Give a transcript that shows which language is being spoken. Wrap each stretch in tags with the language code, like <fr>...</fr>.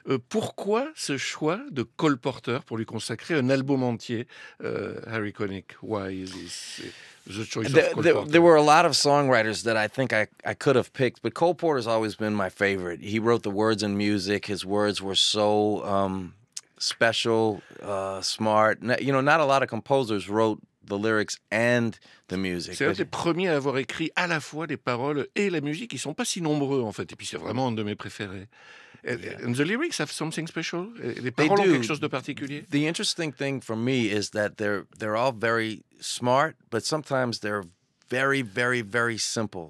<fr>Pourquoi ce choix de Cole Porter pour lui consacrer un album entier, Harry Connick?</fr> <en>Why is this? There were a lot of songwriters that I think I could have picked, but Cole Porter's always been my favorite. He wrote the words and music. His words were so special, smart. You know, not a lot of composers wrote the lyrics and the music.</en> <fr>C'est un des premiers à avoir écrit à la fois les paroles et la musique. Ils sont pas si nombreux, en fait. Et puis c'est vraiment un de mes préférés.</fr> <en>Yeah. And the lyrics have something special?</en> <fr>Les paroles ont quelque chose de particulier?</fr> <en>The interesting thing for me is that they're all very smart, but sometimes they're very, very, very simple.</en>